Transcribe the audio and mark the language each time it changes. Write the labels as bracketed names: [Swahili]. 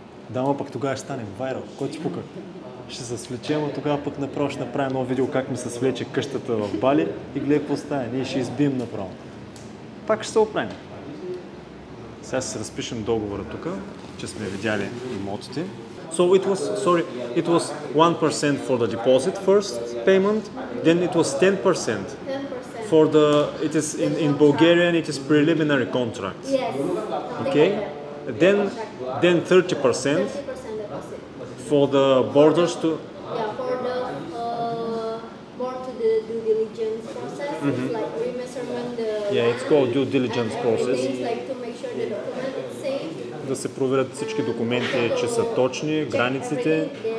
[Bulgarian] Дама, пък тогава ще станем вайрал. Кой ти пука? Ще се свлечем, а тогава пък направо ще направя ново видео как ми се свлече къщата в Бали и гледай какво става. Ние ще избием направо. Пак ще се оправим. Сега ще се разпишем договора тук, че сме видяли имотите. [English] So it was, sorry, it was 1% for the deposit first payment, then it was 10% for the, it is in Bulgarian, it is preliminary contract. Yes. Okay. Then 30% for the borders to... Yeah, for the, more to the due diligence process, mm-hmm. like remeasurement, the... Yeah, it's called due diligence process. It's like to make sure the document is safe. [Bulgarian] Да се проверят всички документи, че са точни, границите.